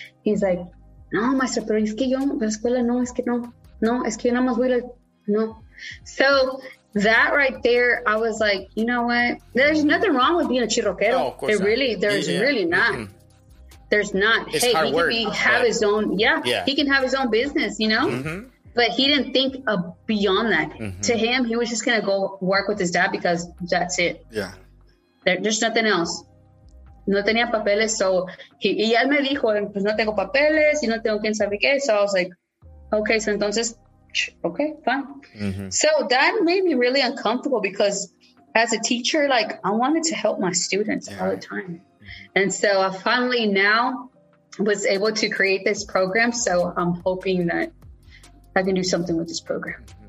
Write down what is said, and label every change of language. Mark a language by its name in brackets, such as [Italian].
[English] He's like, [Spanish] no, maestro, pero es que yo, la escuela, no, es que no. No, es que yo nada más voy a... [English] No. So that right there, I was like, you know what? There's nothing wrong with being a chirroquero. No, of course not. There's really not. Mm-hmm. There's not. It's hard work. He can have his own business, you know? Mm-hmm. But he didn't think beyond that. Mm-hmm. To him, he was just going to go work with his dad because that's it. Yeah. There's nothing else. [Spanish] No tenía papeles. [English] So he, y él me dijo, pues no tengo papeles, y no tengo quien sabe qué. So I was like, okay, so entonces, okay, fine. Mm-hmm. So that made me really uncomfortable because as a teacher, like I wanted to help my students all the time. And so I finally now was able to create this program. So I'm hoping that I can do something with this program.